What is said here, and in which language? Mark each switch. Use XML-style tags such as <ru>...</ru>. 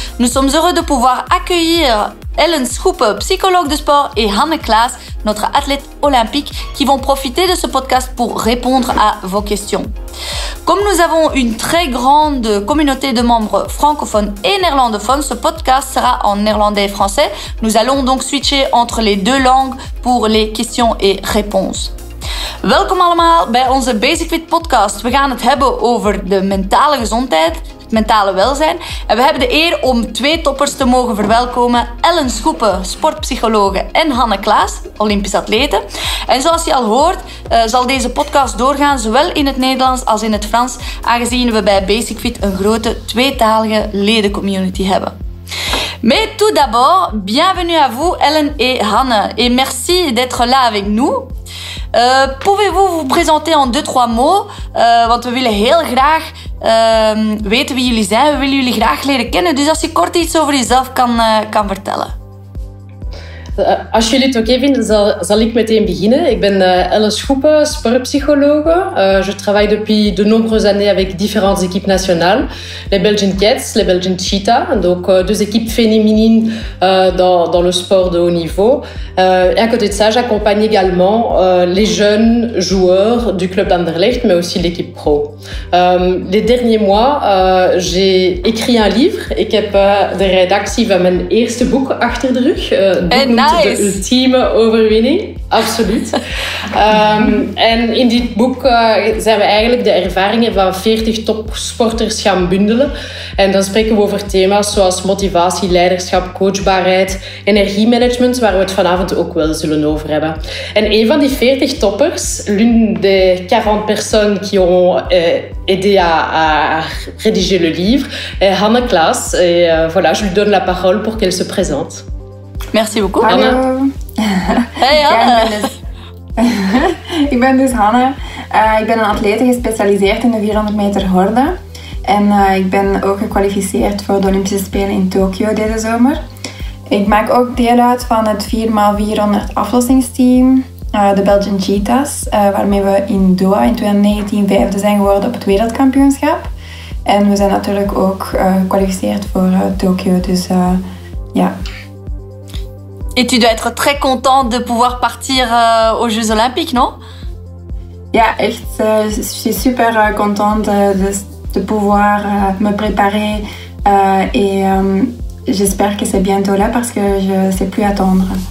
<fr>Nous sommes heureux de pouvoir accueillir Ellen Schoepen, psychologue de sport, et Hanne Klaas, notre athlète olympique, qui vont profiter de ce podcast pour répondre à vos questions. Comme nous avons une très grande communauté de membres francophones et néerlandophones, ce podcast sera en néerlandais et français. Nous allons donc switcher entre les deux langues pour les questions et réponses.</fr> <nl>Welkom allemaal bij onze Basic Fit podcast. We gaan het hebben over de mentale gezondheid, het mentale welzijn. En we hebben de eer om twee toppers te mogen verwelkomen. Ellen Schoepen, sportpsychologe, en Hanne Klaas, Olympisch atlete. En zoals je al hoort, zal deze podcast doorgaan zowel in het Nederlands als in het Frans, aangezien we bij Basic Fit een grote tweetalige ledencommunity hebben.</nl> <fr>Mais tout d'abord, bienvenue à vous Ellen et Hanne. Et merci d'être là avec nous. Pouvez-vous vous présenter en 2-3 mots?</fr> <nl>Want we willen heel graag weten wie jullie zijn. We willen jullie graag leren kennen. Dus als je kort iets over jezelf kan vertellen. Als jullie het oké vinden, zal ik meteen beginnen. Ik ben Ellen Schoepen, sportpsychologe.</nl> <fr>Je travaille depuis de nombreuses années avec différentes équipes nationales. Les Belgian Cats, les Belgian Cheetah. Donc deux équipes féminines dans le sport de haut niveau. Et à côté de ça, j'accompagne également les jeunes joueurs du club d'Anderlecht, mais aussi l'équipe pro. Les derniers mois, j'ai écrit un livre.</fr> <nl>Ik heb de redactie van mijn eerste boek achter de rug. De ultieme overwinning, absoluut. En in dit boek zijn we eigenlijk de ervaringen van 40 topsporters gaan bundelen. En dan spreken we over thema's zoals motivatie, leiderschap, coachbaarheid, energiemanagement, waar we het vanavond ook wel zullen over hebben. En een van die 40 toppers,</nl> <fr>l'une des 40 personnes qui ont aidé à rédiger le livre, est Hanne Klaas. Et voilà, je lui donne la parole pour qu'elle se présente. Merci beaucoup.</fr> <nl>Hallo. Hey Hanne. Ik ben dus Hanne. Ik ben een atlete gespecialiseerd in de 400 meter horde. En ik ben ook gekwalificeerd voor de Olympische Spelen in Tokio deze zomer. Ik maak ook deel uit van het 4x400 aflossingsteam, de Belgian Cheetahs, waarmee we in Doha in 2019 vijfde zijn geworden op het wereldkampioenschap. En we zijn natuurlijk ook gekwalificeerd voor Tokio, dus ja.</nl> <fr>Et tu dois être très contente de pouvoir partir aux Jeux Olympiques, non?</fr> <nl>Ja, echt.</nl> <fr>Je suis super contente de pouvoir me préparer. Et j'espère que c'est bientôt là parce que je ne sais plus attendre.</fr>